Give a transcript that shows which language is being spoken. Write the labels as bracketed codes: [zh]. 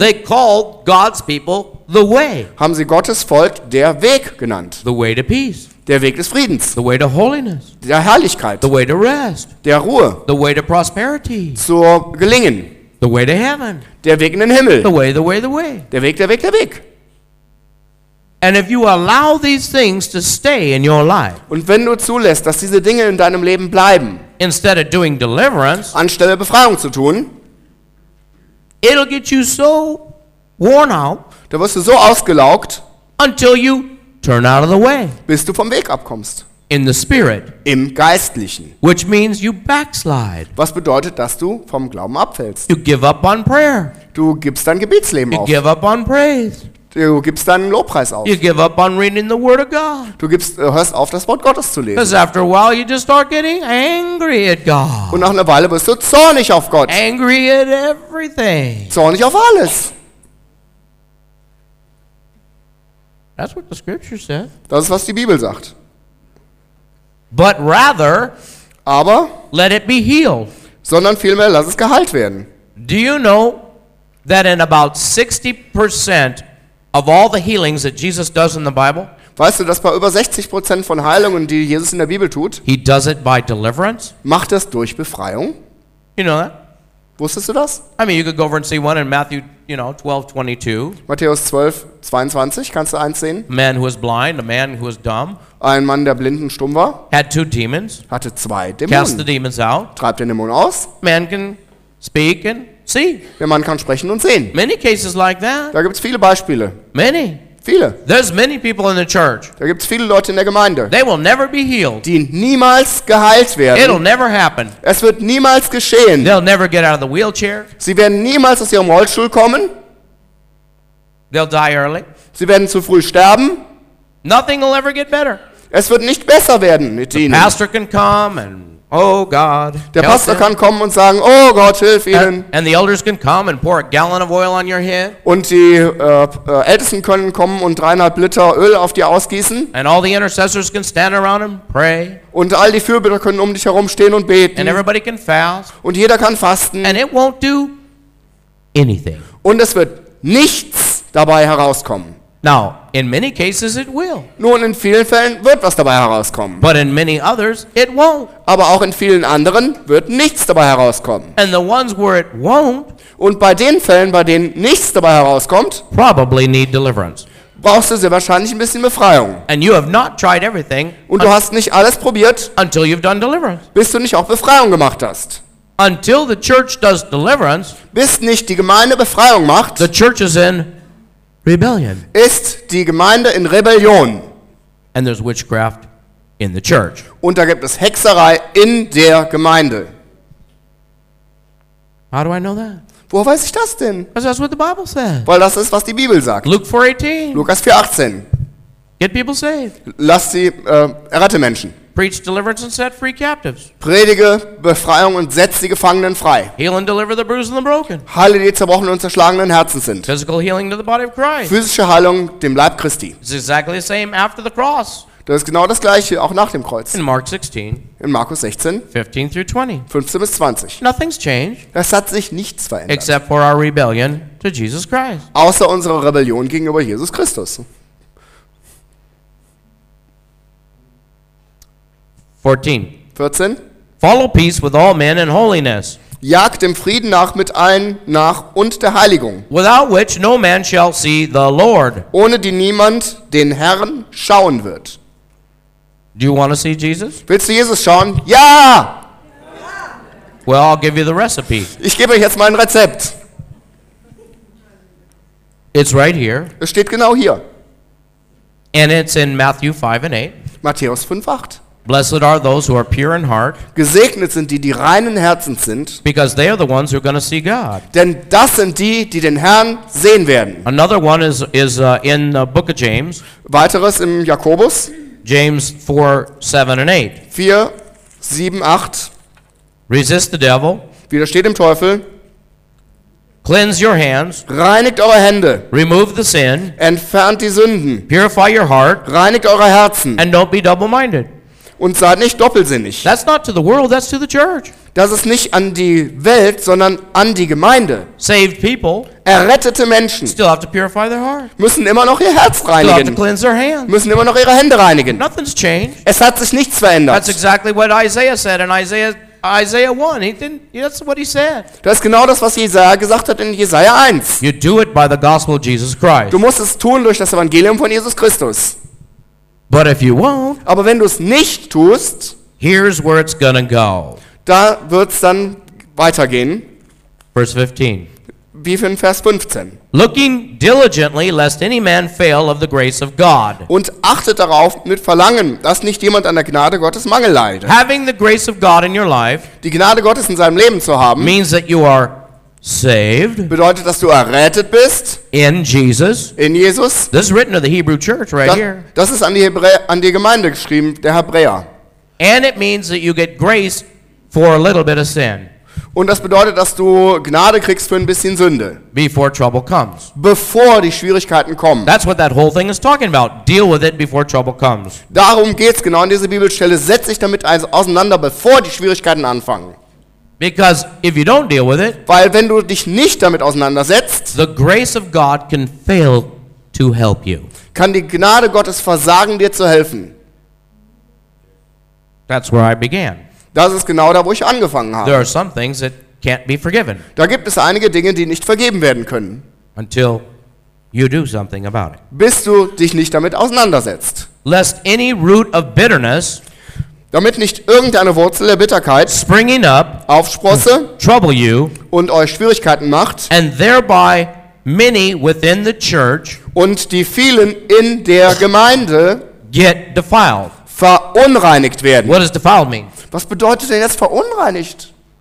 [en] they called God's people the way. [de] Haben sie Gottes Volk der Weg genannt. [en] The way to peace. [de] Der Weg des Friedens. [en] The way to holiness. [de] Der Herrlichkeit. [en] The way to rest. [de] Der Ruhe. [en] The way to prosperity. [de] Zur Gelingen. [en] The way to heaven. [de] Der Weg in den Himmel. [en] The way, the way, the way. [de] Der Weg, der Weg, der Weg. [en] And if you allow these things to stay in your life. [de] Und wenn du zulässt, dass diese Dinge in deinem Leben bleiben. [en] Instead of doing deliverance. [de] Anstelle Befreiung zu tun. [en] It'll get you so worn out. [de] Da wirst du so ausgelaugt. [en] Until you turn out of the way. [de] Bis du vom Weg abkommst. [en] In the spirit, [de] im Geistlichen, [en] which means you backslide. [de] Was bedeutet, dass du vom Glauben abfällst? [en] You give up on prayer. [de] Du gibst dein Gebetsleben [en] you [de] auf. [en] You give up on praise. [de] Du gibst deinen Lobpreis auf. [en] You give up on reading the Word of God. [de] Du gibst, hörst auf, das Wort Gottes zu lesen. [en] Because after a while you just start getting angry at God. [de] Und nach einer Weile wirst du zornig auf Gott. [en] Angry at everything. [de] Zornig auf alles. [en] That's what the Scripture says. [de] Das ist, was die Bibel sagt. [en] But rather, [de] aber [en] let it be healed. [de] Sondern vielmehr lass es geheilt werden. [en] Do you know that in about 60% of all the healings that Jesus does in the Bible? [de] Weißt du, dass bei über 60% von Heilungen, die Jesus in der Bibel tut, [en] he does it by deliverance? [de] Macht das durch Befreiung? [en] You know that? [de] Wusstest du das? [en] I mean, you could go over and see one in Matthew, you know, 12:22. [de] Matthäus 12:22, kannst du eins sehen? [en] Man who is blind, a man who is dumb. [de] Ein Mann, der blind und stumm war. [en] Had two demons. [de] Hatte zwei Dämonen. [en] Cast the demons out. [de] Treibt den Dämon aus. [en] Man can speak and see. [de] Der Mann kann sprechen und sehen. [en] Many cases like that. [de] Da gibt's viele Beispiele. [en] Many. [de] Viele. [en] There's many people in the church. [de] Da gibt's viele Leute in der Gemeinde. [en] They will never be healed. [de] Die niemals geheilt werden. [en] It'll never happen. [de] Es wird niemals geschehen. [en] They'll never get out of the wheelchair. [de] Sie werden niemals aus ihrem Rollstuhl kommen. [en] They'll die early. [de] Sie werden zu früh sterben. [en] Nothing will ever get better. [de] Es wird nicht besser werden mit [en] the [de] ihnen. [en] Pastor can come and, oh God, [de] der Pastor kann kommen und sagen, oh Gott, hilf ihnen. [en] And the elders can come and pour a gallon of oil on your head. [de] Und die Ältesten können kommen und 3,5 Liter Öl auf dir ausgießen. [en] And all the intercessors can stand around and pray. [de] Und all die Fürbitter können um dich herum stehen und beten. [en] And everybody can fast. [de] Und jeder kann fasten. [en] And it won't do anything. [de] Und es wird nichts dabei herauskommen. [en] Now, in many cases it will. [de] Nun, in vielen Fällen wird was dabei herauskommen. [en] But in many others it won't. [de] Aber auch in vielen anderen wird nichts dabei herauskommen. [en] And the ones where it won't, [de] und bei den Fällen, bei denen nichts dabei herauskommt, [en] probably need deliverance. [de] Brauchst du sehr wahrscheinlich ein bisschen Befreiung. [en] And you have not tried everything [de] und du hast nicht alles probiert, [en] until you've done deliverance. [de] Bis du nicht auch Befreiung gemacht hast. [en] Until the church does deliverance, [de] bis nicht die Gemeinde Befreiung macht, [en] the church is in rebellion. [de] Ist die Gemeinde in Rebellion. [en] And there's witchcraft in the church. [de] Und da gibt es Hexerei in der Gemeinde. [en] How do I know that? [de] Wo weiß ich das denn? [en] Because that's what the Bible says. [de] Weil das ist, was die Bibel sagt. [en] Luke 4:18. [de] Lukas 4:18. [en] Get people saved. [de] Lass sie errette Menschen. [en] Preach deliverance and set free captives. [de] Predige Befreiung und setz die Gefangenen frei. [en] Heal and deliver the bruised and the broken. [de] Heile die zerbrochenen und zerschlagenen Herzen sind. [en] Physical healing to the body of Christ. [de] Physische Heilung dem Leib Christi. [en] It's exactly the same after the cross. [de] Das ist genau das gleiche auch nach dem Kreuz. [en] In Mark 16. [de] In Markus 16. [en] 15 through 20. [de] 15 bis 20. [en] Nothing's changed. [de] Das hat sich nichts verändert. [en] Except for our rebellion to Jesus Christ. [de] Außer unsere Rebellion gegenüber Jesus Christus. Vierzehn. [en] Follow peace with all men and holiness. [de] Jagt dem Frieden nach mit allen nach und der Heiligung. [en] Without which no man shall see the Lord. [de] Ohne die niemand den Herrn schauen wird. [en] Do you want to see Jesus? [de] Willst du Jesus schauen? Ja! [en] Well, I'll give you the recipe. [de] Ich gebe euch jetzt mein Rezept. [en] It's right here. [de] Es steht genau hier. [en] And it's in Matthew 5 and 8. [de] Matthäus 5, 8. [en] Blessed are those who are pure in heart. [de] Gesegnet sind die, die reinen Herzens sind. [en] Because they are the ones who are going to see God. [de] Denn das sind die, die den Herrn sehen werden. [en] Another one is in the book of James. [de] Weiteres im Jakobus. [en] James 4, 7 and 8. [de] 4, 7, 8. [en] Resist the devil. [de] Widersteht dem Teufel. [en] Cleanse your hands. [de] Reinigt eure Hände. [en] Remove the sin. [de] Entfernt die Sünden. [en] Purify your heart. [de] Reinigt eure Herzen. [en] And don't be double-minded. [de] Und seid nicht doppelsinnig. [en] That's not to the world, that's to the church. [de] Das ist nicht an die Welt, sondern an die Gemeinde. [en] Saved people. [de] Errettete Menschen. [en] Still have to purify their heart. [de] Müssen immer noch ihr Herz reinigen. [en] Still have to cleanse their hands. [de] Müssen immer noch ihre Hände reinigen. [en] Nothing's changed. [de] Es hat sich nichts verändert. [en] That's exactly what Isaiah said in Isaiah 1. That's what he said. [de] Das ist genau das, was Jesaja gesagt hat in Jesaja 1. [en] You do it by the gospel of Jesus Christ. [de] Du musst es tun durch das Evangelium von Jesus Christus. [en] But if you won't, [de] aber wenn du es nicht tust, [en] here's where it's gonna go. [de] Da wird's dann weitergehen. [en] Verse 15. [de] Wie in Vers 15. [en] Looking diligently lest any man fail of the grace of God. [de] Und achtet darauf mit Verlangen, dass nicht jemand an der Gnade Gottes Mangel leide. [en] Having the grace of God in your life, [de] die Gnade Gottes in seinem Leben zu haben, [en] means that you are saved. [de] Bedeutet, dass du errettet bist. [en] In Jesus. [de] In Jesus. [en] This is written to the Hebrew church right here. [de] Das ist an die Gemeinde geschrieben, der Hebräer. [en] And it means that you get grace for a little bit of sin. [de] Und das bedeutet, dass du Gnade kriegst für ein bisschen Sünde. [en] Before trouble comes. [de] Bevor die Schwierigkeiten kommen. [en] That's what that whole thing is talking about. Deal with it before trouble comes. [de] Darum geht's genau in dieser Bibelstelle. Setz dich damit auseinander, bevor die Schwierigkeiten anfangen. [en] Because if you don't deal with it, [de] weil wenn du dich nicht damit auseinandersetzt, [en] the grace of God can fail to help you. [de] Kann die Gnade Gottes versagen, dir zu helfen. [en] That's where I began. [de] Das ist genau da, wo ich angefangen habe. [en] There are some things that can't be forgiven. [de] Da gibt es einige Dinge, die nicht vergeben werden können. [en] Until you do something about it. [de] Bis du dich nicht damit auseinandersetzt. [en] Lest any root of bitterness, [de] damit nicht irgendeine Wurzel der Bitterkeit [en] springing up, [de] aufsprosse, [en] trouble you, [de] und euch Schwierigkeiten macht, [en] and thereby many within the church, [de] und die vielen in der Gemeinde [en] get defiled, [de] verunreinigt werden. [en] What does defiled mean? [de] Was bedeutet denn jetzt verunreinigt?